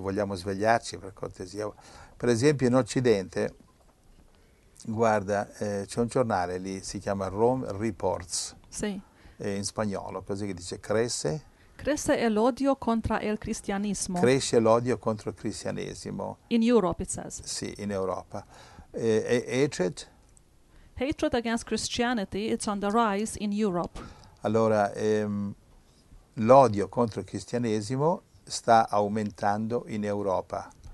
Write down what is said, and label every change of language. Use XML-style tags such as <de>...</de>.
<it>Vogliamo svegliarci, per cortesia? Per esempio, in Occidente, guarda, c'è un giornale lì, si chiama Rome Reports, sì. In spagnolo, così che dice cresce. Cresce l'odio contro il cristianesimo. Cresce l'odio contro il cristianesimo.</it> <en>In Europe, it says.</en> <it>Sì, in Europa. Hatred?</it> <en>Hatred against Christianity, it's on the rise in Europe.</en> <it>Allora, l'odio contro il cristianesimo sta aumentando in Europa.</it>